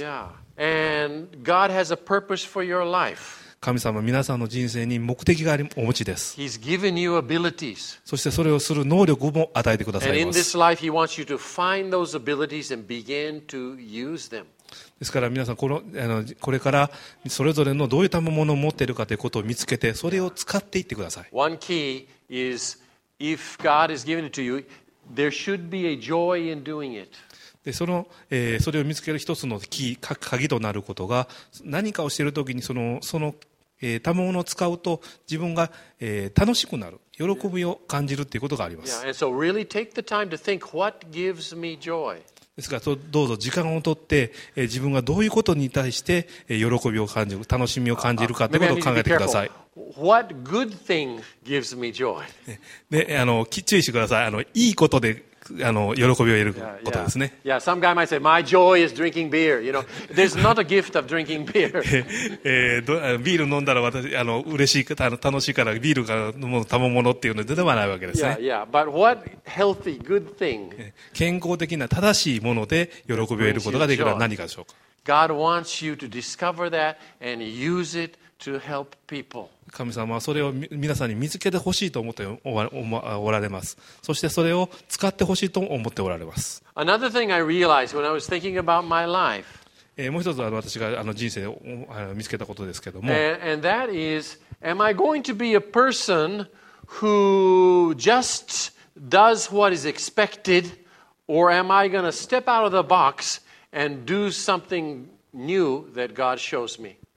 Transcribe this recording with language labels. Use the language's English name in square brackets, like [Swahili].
[English] Yeah. And God has a purpose for your life. [Japanese] 神様は皆さんの人生に目的がお持ちです。 [English] He's given you abilities. [Japanese] そしてそれをする能力も与えてくださいます。 [English] And in this life, He wants you to find those abilities and begin to use them. [Japanese] ですから皆さん これからそれぞれのどういう賜物を持っているかということを見つけてそれを使っていってください。 [English] One key is if God has given it to you, there should be a joy in doing it. [Japanese] でそれを見つける一つの鍵となることが何かをしているときにその賜物を使うと自分が楽しくなる喜びを感じるということがあります。 [English] Yeah, and so really take the time to think what gives me joy. [Japanese] ですからどうぞ時間を取って自分がどういうことに対して喜びを感じる楽しみを感じるかということを考えてください。 [English] What good thing gives me joy? [Japanese] で注意してください。いいことで喜びを得ることですね。 [English] yeah, some guy might say my joy is drinking beer, you know, there's not a gift of drinking beer. [Japanese] ビール飲んだら私嬉しい楽しいからビールが飲む賜物っていうのではないわけですね。 [English] yeah, yeah. But what healthy, good thing? [Japanese] 健康的な正しいもので喜びを得ることができるのは何かでしょうか。 [English] God wants you to discover that and use it to help people. [Japanese] 神様はそれを皆さんに見つけてほしいと思っておられます。そしてそれを使ってほしいと思っておられます。 [English] Another thing I realized when I was thinking about my life, [Japanese] もう一つ私が人生を見つけたことですけども [English] and that is, am I going to be a person who just does what is expected or am I going to step out of the box and do something new that God shows me?